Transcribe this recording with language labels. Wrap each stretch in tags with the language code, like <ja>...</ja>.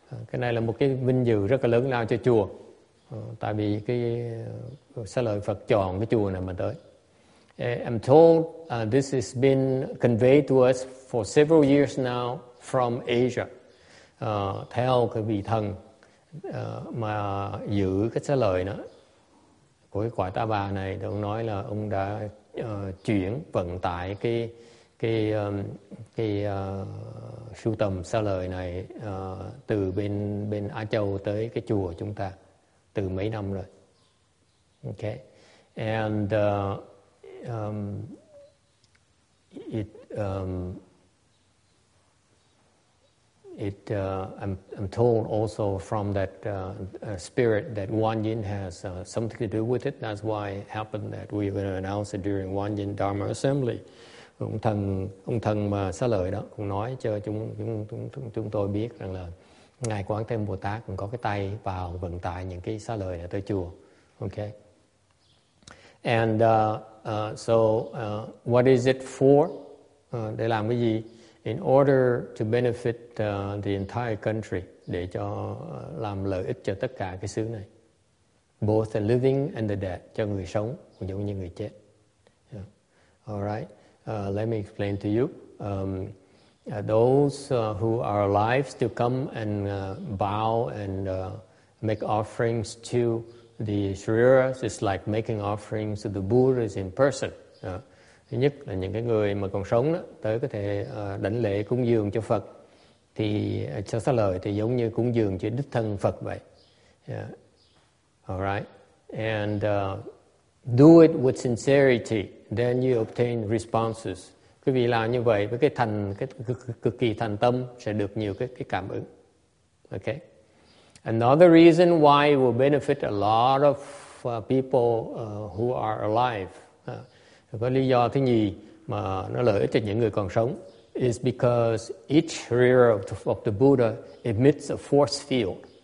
<vi>Cái này là một cái vinh dự rất là lớn lao cho chùa. Tại vì cái xá lợi Phật chọn cái chùa này mà tới.</vi> <en>I'm told this has been conveyed to us for several years now from Asia.</en> <vi>Theo cái vị thần mà giữ cái xá lợi đó của cái quả ta bà này, thì ông nói là ông đã chuyển vận tải cái sưu tầm xá lợi này từ bên Á Châu tới cái chùa chúng ta từ mấy năm rồi.</vi> <en>Okay, and I'm told also from that spirit that Wan Yin has something to do with it. That's why it happened that we're going to announce it during Wan Yin Dharma Assembly.</en> <vi>Ông thần mà xá lợi đó cũng nói cho chúng tôi biết rằng là ngài Quán Thế Âm Bồ Tát cũng có cái tay vào vận tải những cái xá lợi này tới chùa. Okay.</vi> <en>And what is it for?</en> <vi>Để làm cái gì?</vi> <en>In order to benefit the entire country,</en> <vi>để cho làm lợi ích cho tất cả cái xứ này,</vi> <en>both the living and the dead,</en> <vi>cho người sống cũng giống như người chết.</vi> <en>Yeah. All right. Let me explain to you. Those who are alive still come and bow and make offerings to the Shriras is like making offerings to the Buddhas in person.</en> <vi>Thứ nhất là những cái người mà còn sống đó, tới có thể đảnh lễ cúng dường cho Phật, thì cho xá lợi thì giống như cúng dường cho đích thân Phật vậy.</vi> <en>Yeah. All right. And do it with sincerity, then you obtain responses.</en> <vi>Quý vị làm như vậy với cái cực kỳ thành tâm sẽ được nhiều cái cảm ứng.</vi> <en>Okay. Another reason why it will benefit a lot of people who are alive.</en> <vi>Cái lý do thứ nhì mà nó lợi ích cho những người còn sống</vi> <en>is because each rear of the Buddha emits a force field.</en>